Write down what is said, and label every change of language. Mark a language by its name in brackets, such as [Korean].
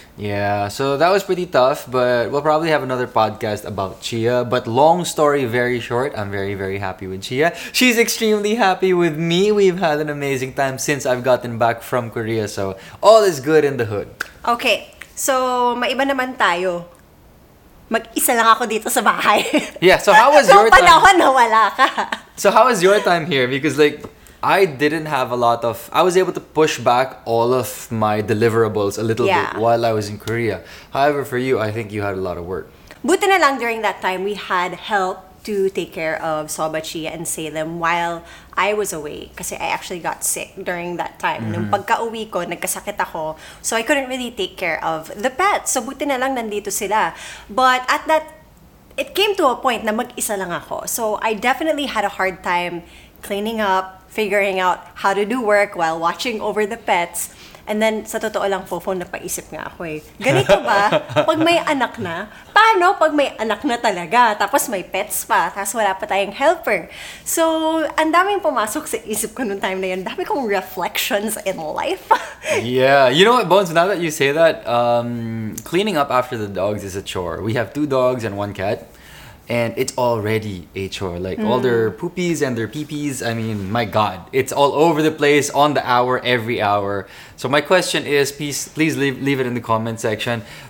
[English] Yeah, so that was pretty tough, but we'll probably have another podcast about Chia. But long story very short, I'm very, very happy with Chia. She's extremely happy with me. We've had an amazing time since I've gotten back from Korea. So all is good in the hood. [Filipino] Okay, so maiba naman tayo. Mag-isa lang ako dito sa bahay. [English] Yeah, so how was your time? [Filipino] No panahon na wala ka. [English] So how was your time here? Because like, I didn't have a lot of... I was able to push back all of my deliverables a little bit while I was in Korea. However, for you, I think you had a lot of work. [Filipino] Buti na lang [English] during that time, we had help to take care of Soba, Chia, and Salem while I was away. Kasi I actually got sick during that time. [Filipino] Mm-hmm. Nung pagka-uwi ko, nagkasakit ako. [English] So I couldn't really take care of the pets. So [Filipino] buti na lang nandito sila. [English] But at that... It came to a point [Filipino] na mag-isa lang ako. [English] So I definitely had a hard time cleaning up, figuring out how to do work while watching over the pets. [Filipino] And then, sa totoo lang, Fofo, napaisip nga ako eh. Ganito ba? Pag may anak na? Paano pag may anak na talaga? Tapos may pets pa, tapos wala pa tayong helper. So, ang daming pumasok sa isip ko noong time na yun. Dami kong reflections in life. [English] Yeah. You know what, Bones? Now that you say that, cleaning up after the dogs is a chore. We have 2 dogs and 1 cat. And it's already a chore. Like, all their poopies and their peepees, I mean, my God. It's all over the place, on the hour, every hour. So my question is, please leave it in the comment section.